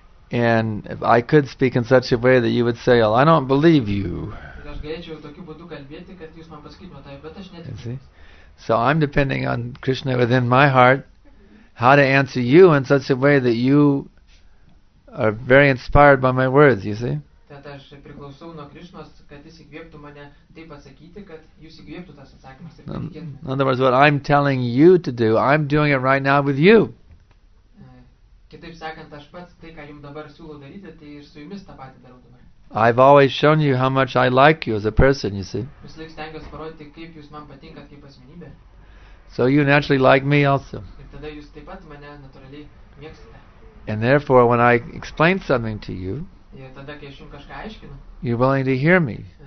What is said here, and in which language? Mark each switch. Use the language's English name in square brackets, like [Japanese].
[English] And I could speak in such a way that you would say, well, I don't believe you. You see? So I'm depending on Krishna within my heart how to answer you in such a way that you are very inspired by my words, you see? [Lithuanian] Tad aš priklausau nuo Krišnos, kad jis įkvėptų mane taip pasakyti, kad jūs įkvėptų tas atsakymas. [English] In other words, what I'm telling you to do, I'm doing it right now with you. [Lithuanian] Kitaip sakant, aš pats tai, ką jums dabar siūlau daryti, tai ir su jumis tą patį darau dabar. [English] I've always shown you how much I like you as a person, you see. [Lithuanian] Vis laik stengiuos parodyti, kaip jūs man patinkat kaip asmenybė. [English] So you naturally like me also. [Lithuanian] Ir tada jūs taip pat mane natūraliai mėgstate. [English] And therefore, when I explain something to you, you're willing to hear me.